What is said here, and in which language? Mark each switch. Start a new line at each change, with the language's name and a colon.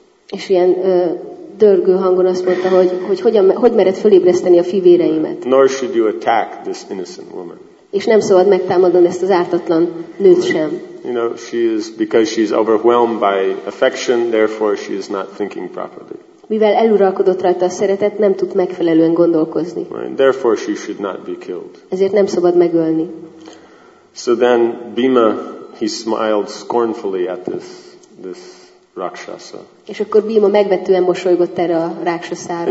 Hungarian: És ilyen dörgő hangon azt mondta, hogy mered fölébreszteni a fivéreimet.
English: Nor should you attack this innocent woman.
Hungarian: És nem szabad megtámadnod ezt az ártatlan nőt sem.
English: You know, she is, because she is overwhelmed by affection, therefore she is not thinking properly.
Hungarian: Mivel eluralkodott rajta a szeretet, nem tud megfelelően gondolkozni.
English: Right. Therefore she should not be killed.
Hungarian: Ezért nem szabad megölni.
English: So then Bhima, he smiled scornfully at this Rakshasa.
Hungarian: És akkor Bhima megvetően mosolygott erre a Rakshasára.